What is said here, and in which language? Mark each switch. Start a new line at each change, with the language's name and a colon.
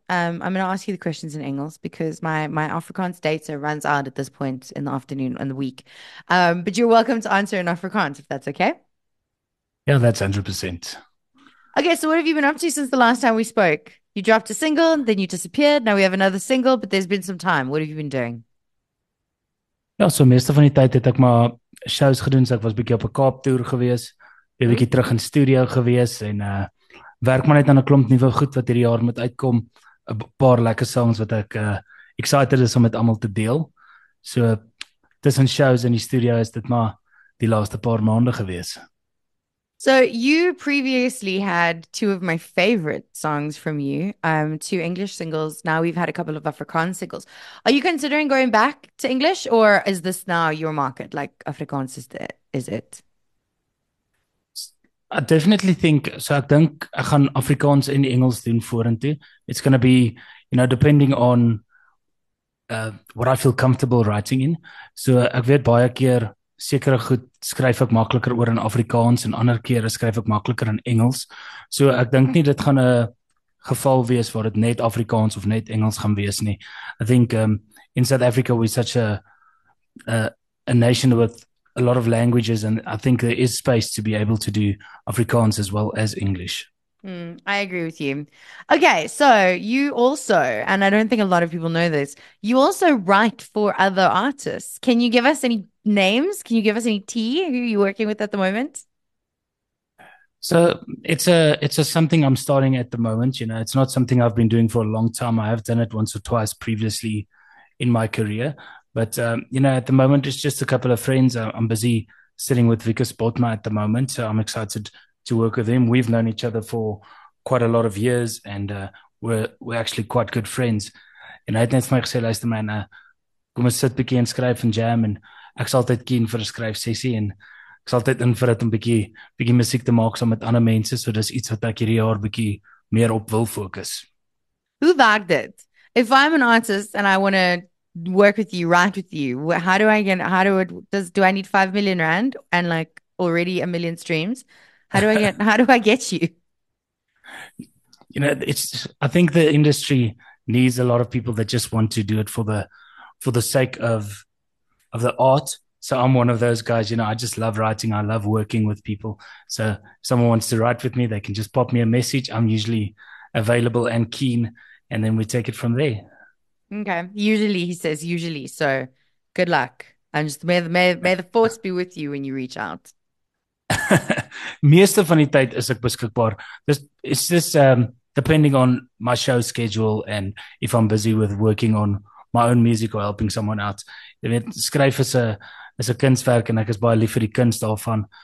English: I'm going to ask you the questions in English because my Afrikaans data runs out at this point in the afternoon and the week. But you're welcome to answer in Afrikaans, if that's okay. Yeah, that's 100%. Okay, so what have you been up to since the last time we spoke? You dropped a single, then you disappeared. Now we have another single, but there's been some time. What have you been doing?
Afrikaans: Ja, so meeste van die tyd het ek maar shows gedoen, so ek was bietjie op 'n Kaap toer gewees, 'n bietjie terug in studio gewees en werk maar net aan 'n klomp nuwe goed wat hierdie jaar moet uitkom, 'n paar lekker songs wat ek excited is om met almal te deel. So tussen shows en die studio is dit maar die laaste paar maande gewees.
English: So you previously had two of my favorite songs from you, two English singles. Now we've had a couple of Afrikaans singles. Are you considering going back to English, or is this now your market? Like Afrikaans is it? I definitely think,
Afrikaans: so ek dink ek gaan Afrikaans en Engels doen vorentoe.
English: It's going to be, you know, depending on what I feel comfortable writing in.
Afrikaans: So ek weet baie keer sekere goed skryf ek makliker oor in Afrikaans en ander keer skryf ek makliker in Engels. So ek dink nie dit gaan 'n geval wees waar dit net Afrikaans of net Engels gaan wees nie.
English: I think in South Africa we're such a nation with a lot of languages, and I think there is space to be able to do Afrikaans as well as English. I agree with you. Okay, so you also, and I don't think a lot of people know this, you also write for other artists. Can you give us any names? Can you give us any tea? Who are you working with at the moment? So it's a something I'm starting at the moment. You know, it's not something I've been doing for a long time. I have done it once or twice previously in my career. But, you know, at the moment, it's just a couple of friends. I'm busy sitting with Vikas Botma at the moment, so I'm excited to work with him. We've known each other for quite a lot of years, and we're actually quite good friends. And I had
Afrikaans: net my gesê, luister man, kom ons sit bietjie en skryf en jam, en ek sal altyd keen vir 'n skryf sessie, en ek sal altyd in vir dit om bietjie musiek te maak saam met ander mense, so dis iets wat ek hierdie jaar bietjie meer op wil fokus.
English: Who backed it? If I'm an artist and I want to work with you, write with you, do I need 5 million rand and like already a million streams? How do I get you? You know, it's, I think the industry needs a lot of people that just want to do it for the sake of the art. So I'm one of those guys, you know, I just love writing. I love working with people. So if someone wants to write with me, they can just pop me a message. I'm usually available and keen, and then we take it from there. Okay. Usually, he says, usually. So good luck. And just may the force be with you when you reach out.
Afrikaans: Meeste van die tyd is ek beskikbaar.
English: It's just depending on my show schedule and if I'm busy with working on my own music or helping someone out. I mean,
Afrikaans: skryf is a kunstwerk en ek is baie lief vir die kunst daarvan.